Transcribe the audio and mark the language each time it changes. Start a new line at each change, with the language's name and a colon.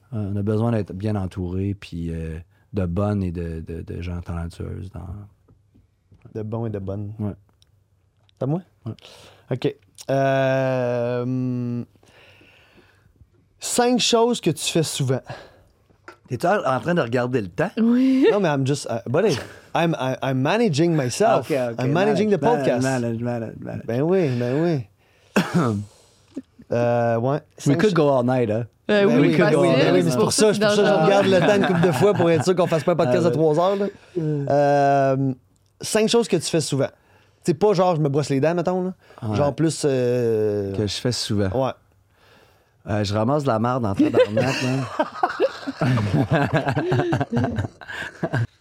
French: On a besoin d'être bien entouré, puis de bonnes et de gens talentueux. Dans... De bons et de bonnes. Ouais. C'est à moi? Ouais. OK. Cinq choses que tu fais souvent. T'es-tu en train de regarder le temps? Oui. Non, mais
English: I'm just... buddy, I'm managing myself. Okay. I'm managing manage, the podcast. Manage.
French: Ben oui, ben oui. Ouais.
English: We could go all night, hein?
French: Oui, c'est pour ça. C'est pour ça que je regarde le temps une couple de fois pour être sûr qu'on fasse pas un podcast à 3 heures. Là. Cinq choses que tu fais souvent. C'est pas genre je me brosse les dents, mettons. Là. Ouais. Genre plus. Que je fais souvent. Ouais. Je ramasse de la merde en tabarnak, là.